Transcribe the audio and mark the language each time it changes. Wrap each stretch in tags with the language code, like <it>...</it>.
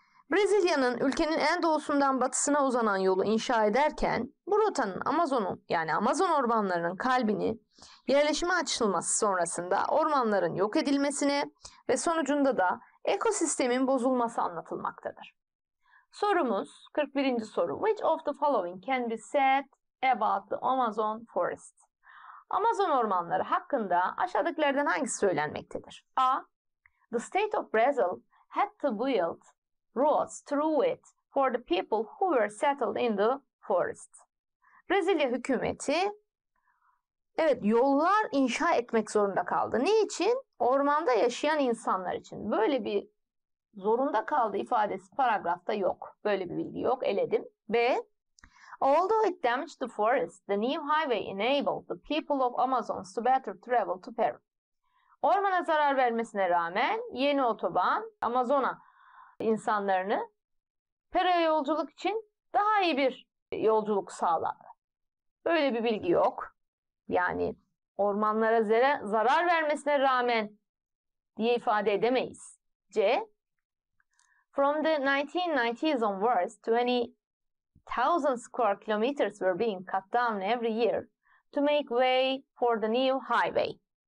<tr>Brezilya'nın ülkenin en doğusundan batısına uzanan yolu inşa ederken bu rotanın Amazon'un yani Amazon ormanlarının kalbini yerleşime açılması sonrasında ormanların yok edilmesine ve sonucunda da ekosistemin bozulması anlatılmaktadır. Sorumuz 41. soru.</tr> <en>Which of the following can be said about the Amazon forest?</en> <tr>Amazon ormanları hakkında aşağıdakilerden hangisi söylenmektedir? A.</tr> <en>The state of Brazil had to build roads through it for the people who were settled in the forest.</en> <tr>Brezilya hükümeti evet yollar inşa etmek zorunda kaldı. Ne için? Ormanda yaşayan insanlar için. Böyle bir zorunda kaldı ifadesi paragrafta yok. Böyle bir bilgi yok. Eledim. B.</tr> <en>Although it damaged the forest, the new highway enabled the people of Amazon to better travel to Peru.</en> <tr>Ormana zarar vermesine rağmen yeni otoban Amazon'a insanlarını Peru'ya yolculuk için daha iyi bir yolculuk sağladı. Böyle bir bilgi yok. Yani ormanlara zarar vermesine rağmen diye ifade edemeyiz. C.</tr> <en>From the 1990s onwards, 20,000 square kilometers were being cut down every year to make way for the new highway.</en>